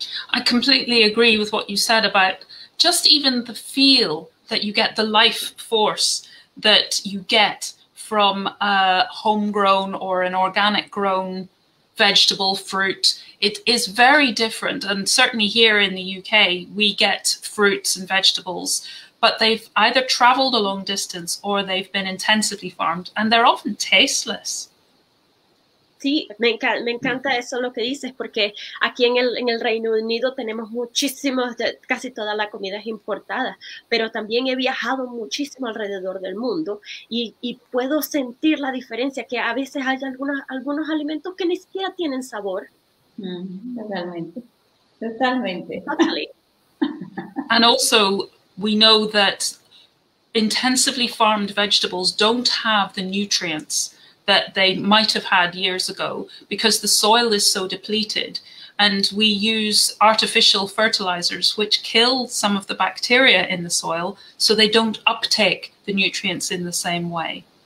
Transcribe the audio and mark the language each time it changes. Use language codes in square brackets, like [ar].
[en] I completely agree with what you said about just even the feel that you get, the life force that you get from a homegrown or an organic grown vegetable, fruit. It is very different. And certainly here in the UK, we get fruits and vegetables, but they've either traveled a long distance or they've been intensively farmed, and they're often tasteless. [es] Sí, me encanta eso lo que dices, porque aquí en el Reino Unido tenemos muchísimos, casi toda la comida es importada, pero también he viajado muchísimo alrededor del mundo y puedo sentir la diferencia, que a veces hay algunos alimentos que ni siquiera tienen sabor. Totalmente, totalmente. [en] Totally. And also, we know that intensively farmed vegetables don't have the nutrients that they might have had years ago because the soil is so depleted. And we use artificial fertilizers, which kill some of the bacteria in the soil, so they don't uptake the nutrients in the same way.